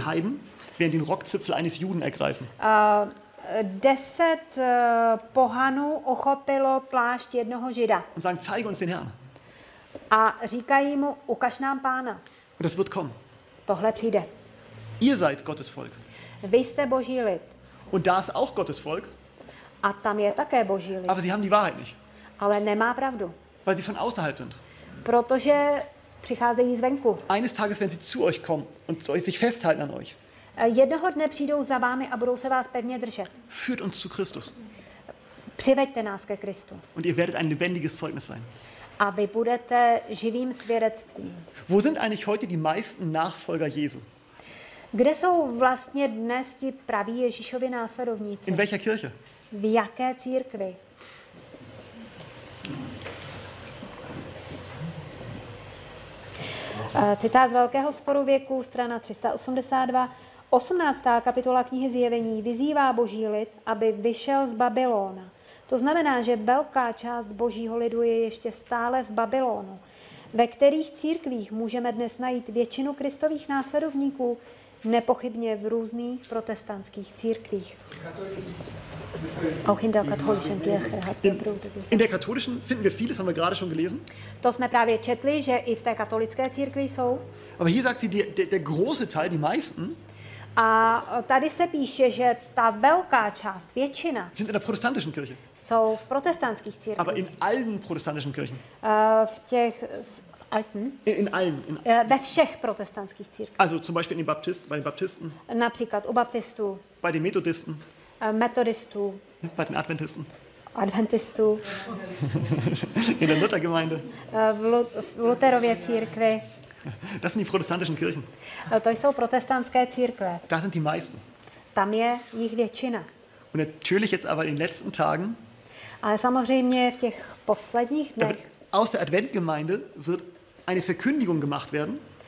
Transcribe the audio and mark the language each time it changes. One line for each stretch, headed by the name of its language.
German: Heiden werden den Rockzipfel eines Juden ergreifen.
Czech: 10 pohanů uchopilo plášť jednoho Žida.
German: Und sagen, zeige uns den Herrn.
Czech: A říkají mu, ukaž nám Pána.
German: Und das wird kommen.
Czech: Tohle přijde.
German: Ihr seid Gottes Volk.
Czech: Vy jste Boží lid.
German: Und da ist auch Gottes Volk.
Czech: A tam je také Boží lid.
German: Aber sie haben die Wahrheit nicht.
Czech: Ale nemá pravdu.
German: Weil sie von außerhalb sind.
Czech: Protože přicházejí zvenku.
German: Eines Tages werden sie zu euch kommen und sich festhalten an euch.
Czech: Jednoho dne přijdou za vámi a budou se vás pevně držet.
German: Führt uns zu Christus.
Czech: Přiveďte nás ke Kristu.
German: Und ihr werdet ein lebendiges Zeugnis sein.
Czech: A vy budete živým svědectvím.
German: Wo sind eigentlich heute die meisten Nachfolger Jesu?
Czech: Kde jsou vlastně dnes ti praví Ježíšovi následovníci?
German: In welcher Kirche?
Czech: V jaké církvi? Citát z Velkého sporu věku, strana 382. 18. kapitola knihy Zjevení vyzývá Boží lid, aby vyšel z Babylona. To znamená, že velká část Božího lidu je ještě stále v Babylonu. Ve kterých církvích můžeme dnes najít většinu Kristových následovníků? Nepochybně v různých protestantských církvích.
German: Auch in der katholischen Kirche hat der Bruder. In der katholischen finden wir vieles, haben wir gerade schon gelesen.
Czech: To jsme právě četli, že i v té katolické církvi jsou.
German: Aber hier sagt sie der große Teil, die meisten.
Czech: A tady se píše, že ta velká část, většina.
German: Sind in der protestantischen Kirche.
Czech: Jsou v protestantských církvích.
German: Aber in allen protestantischen Kirchen.
Czech: V těch
German: Alten. In allen.
Czech: Ve všech protestantských církvích.
German: Also zum Beispiel bei den Baptisten.
Czech: Například u Baptistů.
German: Bei den Methodisten.
Czech: Methodistů.
German: Bei den Adventisten.
Czech: Adventistů.
German: In der Luthergemeinde.
Czech: V Luterově církvi.
German: Das sind die protestantischen Kirchen.
Czech: To jsou protestantské církve.
German: Da sind die meisten.
Czech: Tam je jich většina.
German: Und natürlich jetzt aber in den letzten Tagen.
Czech: Ale samozřejmě v těch posledních dnech.
German: Aus der Adventgemeinde wird eine Verkündigung gemacht werden.